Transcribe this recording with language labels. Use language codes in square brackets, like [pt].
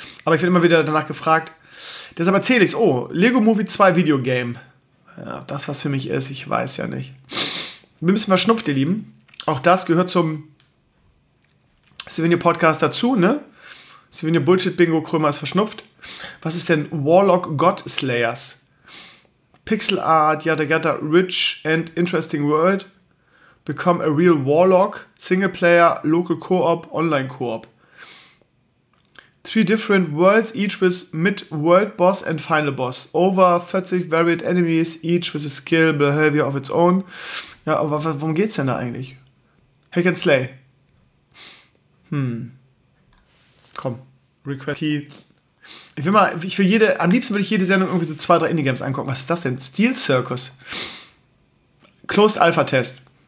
[de] Aber ich werde immer wieder danach gefragt. Deshalb erzähle ich es. Oh, Lego Movie 2 Videogame. Ja, das, was für mich ist, ich weiß ja nicht. Wir müssen mal schnupft, ihr Lieben. Auch das gehört zum Sivinio Podcast dazu, ne? Sivinio Bullshit Bingo Krömer ist verschnupft. Was ist denn Warlock God Slayers? [en] Pixel Art, yada yada, rich and interesting world. Become a real Warlock. Singleplayer, local co-op, online co-op. Three different worlds, each with mid-world boss and final boss. Over 40 varied enemies, each with a skill, behavior of its own. [de] Ja, aber worum geht's denn da eigentlich? Hack and Slay. Komm, Request Key. Am liebsten würde ich jede Sendung irgendwie so zwei, drei Indie-Games angucken. Was ist das denn? Steel Circus. Closed Alpha Test.